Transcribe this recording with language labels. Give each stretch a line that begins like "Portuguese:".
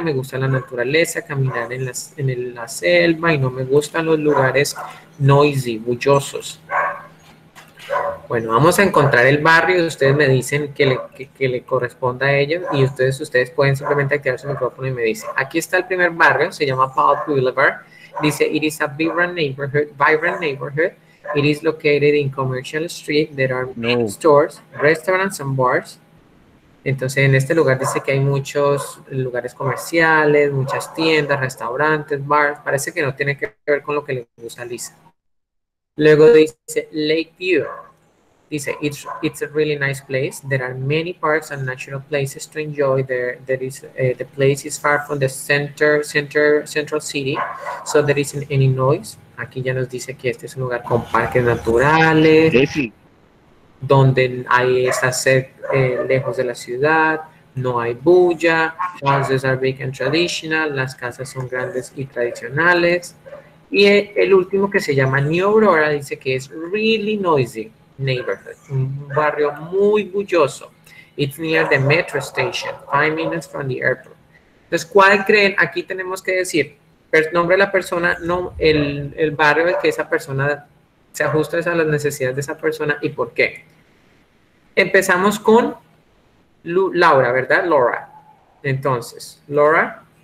Spanish: Me gusta la naturaleza, caminar en la selva y no me gustan los lugares noisy, bullosos. Bueno, vamos a encontrar el barrio. Ustedes me dicen que le corresponda a ellos y ustedes pueden simplemente activar su micrófono y me dicen. Aquí está el primer barrio, se llama Paul Boulevard. Dice,
English: it is a vibrant neighborhood. It is located in Commercial Street. There are many
Spanish: No.
English: stores, restaurants and bars.
Spanish: Entonces, en este lugar dice que hay muchos lugares comerciales, muchas tiendas, restaurantes, bars. Parece que no tiene que ver con lo que le gusta a Lisa. Luego dice Lakeview. Dice,
English: it's a really nice place. There are many parks and natural places to enjoy. The place is far from the central city, so there isn't any noise.
Spanish: Aquí ya nos dice que este es un lugar con parques naturales, Jeffy. donde hay esta sed lejos de la ciudad, no hay bulla,
English: houses are big and traditional,
Spanish: las casas son grandes y tradicionales. Y el último que se llama New Aurora dice que es
English: really noisy neighborhood,
Spanish: un barrio muy bulloso.
English: It's near the metro station, 5 minutes from the airport.
Spanish: Entonces, ¿cuál creen? Aquí tenemos que decir el nombre de la persona, no el barrio en que esa persona se ajusta a las necesidades de esa persona y por qué. Empezamos con Laura, ¿verdad? Laura. Entonces, Laura.